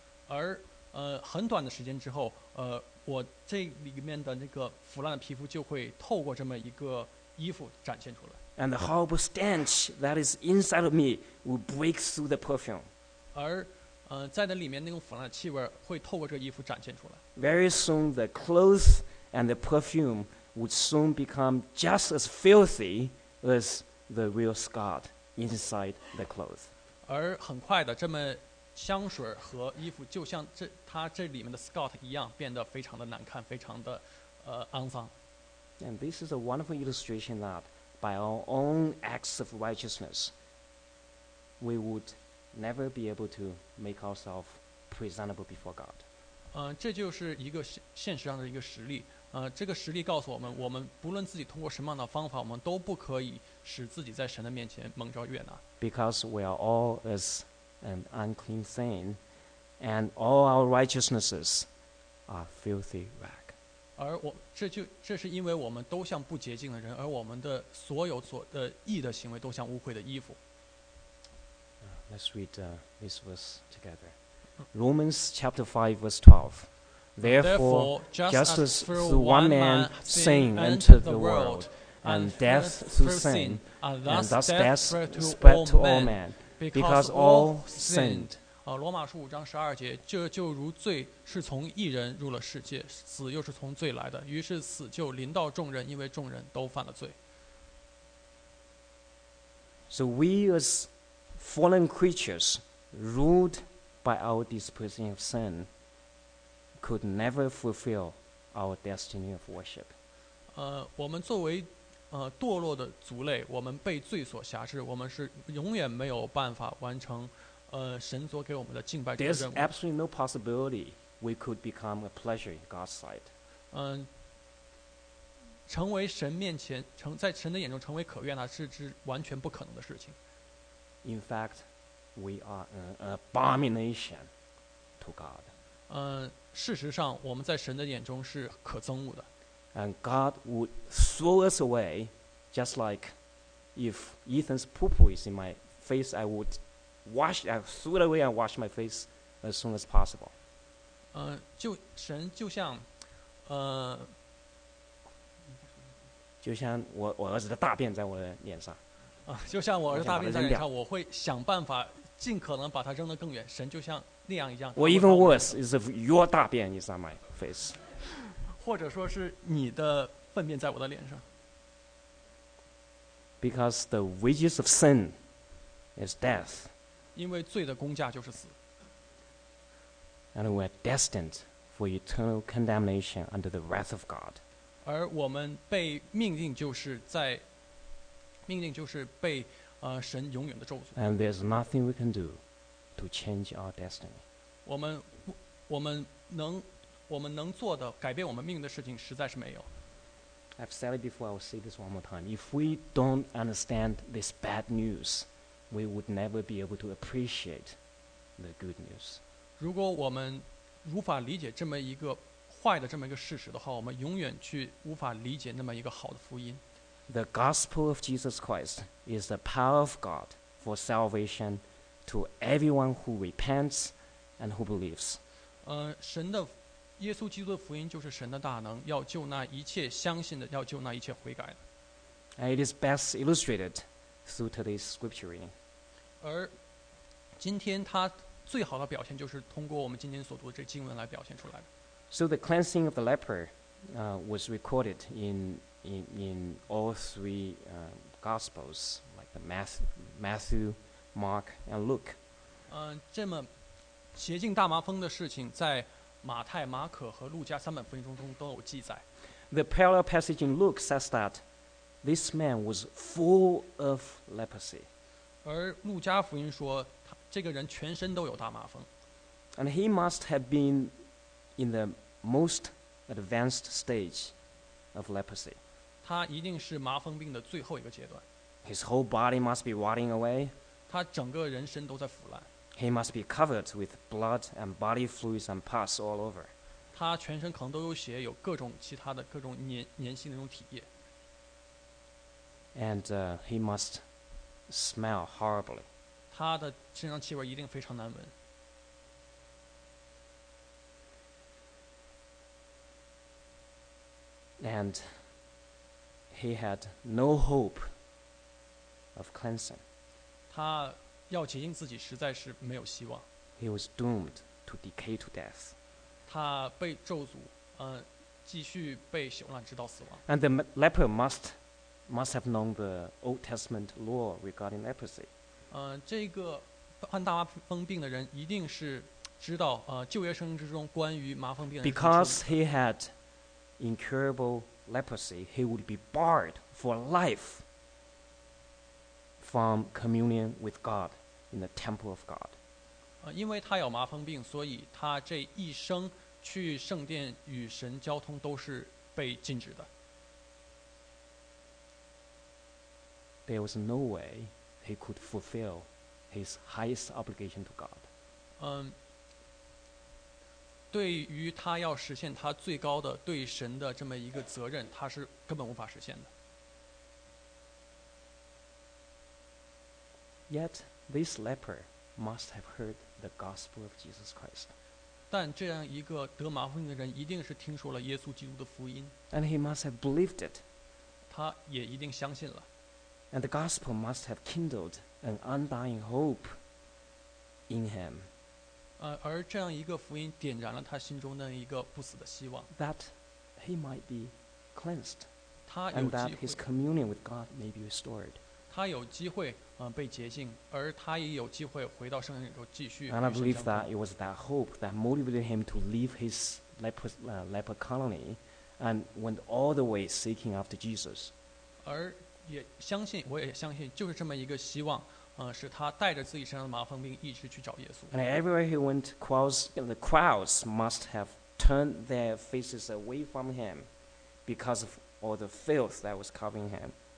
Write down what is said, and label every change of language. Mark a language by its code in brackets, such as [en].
[zh] 而，很短的时间之后，我这里面的那个腐烂的皮肤就会透过这么一个衣服展现出来。 [en] And the horrible stench that is inside of me will break through the perfume. [zh] 而，在那里面那种腐烂的气味会透过这衣服展现出来。 [en] Very soon, the clothes and the perfume would soon become just as filthy as the real Scott inside the clothes. [zh] 而很快的这么。香水和衣服就像他这里面的 Scott 一样变得非常的难看非常的肮脏 [en] And this is a wonderful illustration that by our own acts of righteousness we would never be able to make ourselves presentable before God [zh] 这就是一个现实上的一个实例这个实例告诉我们我们不论自己通过什么样的方法我们都不可以使自己在神的面前蒙召悦纳 [en] Because we are all as an unclean thing, and all our righteousnesses are filthy rag. [zh] 而我这就这是因为我们都像不洁净的人，而我们的所有所的义的行为都像污秽的衣服。 [en] Let's read this verse together. Romans chapter 5 verse 12. Therefore, just as through one man sin entered the world, and death through sin, and thus death spread to all men, because all sinned. [zh] 罗马书五章十二节，这就如罪是从一人入了世界，死又是从罪来的，于是死就临到众人，因为众人都犯了罪。 [en] So we as fallen creatures, ruled by our disposition of sin, could never fulfill our destiny of worship. [zh] 我们作为堕落的族类，我们被罪所辖制，我们是永远没有办法完成神所给我们的敬拜之任务。 [en] There's absolutely no possibility we could become a pleasure in God's sight. [zh] 成为神面前，在神的眼中成为可悦纳，是只完全不可能的事情。 [en] In fact, we are an abomination to God. [zh] 事实上，我们在神的眼中是可憎恶的。 [en] And God would throw us away, just like if Ethan's poo-poo is in my face, I would wash, I threw it away and wash my face as soon as possible. [zh] 神就像，就像我儿子的大便在我的脸上。就像我儿子大便在脸上，我会想办法尽可能把它扔得更远。神就像那样一样。 [en] Or even worse is if your 大便 is on my face. [zh] 或者说是你的粪便在我的脸上。 [en] Because the wages of sin is death. [zh] 因为罪的工价就是死。 [en] And we are destined for eternal condemnation under the wrath of God. [zh] 而我们被命定就是在命令就是被神永远的咒诅。 [en] And there's nothing we can do to change our destiny. [zh] 我们能做的改变我们命运的事情实在是没有。 [en] I've said it before, I'll say this one more time. If we don't understand this bad news, we would never be able to appreciate the good news. [zh] 如果我们无法理解这么一个坏的这么一个事实的话，我们永远去无法理解那么一个好的福音。 [en] The gospel of Jesus Christ is the power of God for salvation to everyone who repents and who believes. [zh] 神的耶稣基督的福音就是神的大能，要救那一切相信的，要救那一切悔改的。 [en] And it is best illustrated through today's scripture reading. [zh] 而今天它最好的表现就是通过我们今天所读的这经文来表现出来的。 [en] So the cleansing of the leper was recorded in all three Gospels, like the Matthew, Mark, and Luke. [zh] 这么洁净大麻风的事情在马太、马可和路加三本福音中都有记载。 [en] The parallel passage in Luke says that this man was full of leprosy. [zh] 而路加福音说他这个人全身都有大麻风。 [en] And he must have been in the most advanced stage of leprosy. [zh] 他一定是麻风病的最后一个阶段。 [en] His whole body must be rotting away. [zh] 他整个人身都在腐烂。 [en] He must be covered with blood and body fluids and pus all over. [zh] 他全身可能都有血，有各种其他的各种粘性的那种体液。 [en] And he must smell horribly. [zh] 他的身上气味一定非常难闻。 [en] And. He had no hope of cleansing. [zh] 他要洁净自己实在是没有希望。 [en] He was doomed to decay to death. [zh] 他被咒诅，继续被朽烂直到死亡。 [en] And the leper must have known the Old Testament law regarding leprosy. [zh] 这个患大麻风病的人一定是知道，旧约圣经之中关于麻风病的。 [en] Because he had incurable. Leprosy, he would be barred for life from communion with God in the temple of God. [zh] 因为他有麻风病，所以他这一生去圣殿与神交通都是被禁止的。 [en] There was no way he could fulfill his highest obligation to God. [zh] 对于他要实现他最高的对神的这么一个责任，他是根本无法实现的。 [en] Yet this leper must have heard the gospel of Jesus Christ. [zh] 但这样一个得麻风的人一定是听说了耶稣基督的福音。 [en] And he must have believed it. [zh] 他也一定相信了。 [en] And the gospel must have kindled an undying hope in him. [zh] 而这样一个福音点燃了他心中的一个不死的希望。 [en] That he might be cleansed. [zh] 他有机会。 [en] And that his communion with God may be restored. [zh] 他有机会被洁净，而他也有机会回到圣灵里头继续。 [en] And I believe that it was that hope that motivated him to leave his leper colony and went all the way seeking after Jesus. [zh] 而也相信，我也相信，就是这么一个希望，使他带着自己身上的麻风病一直去找耶稣。 [en] And everywhere he went, the crowds must have turned their faces away from him because of all the filth that was covering him.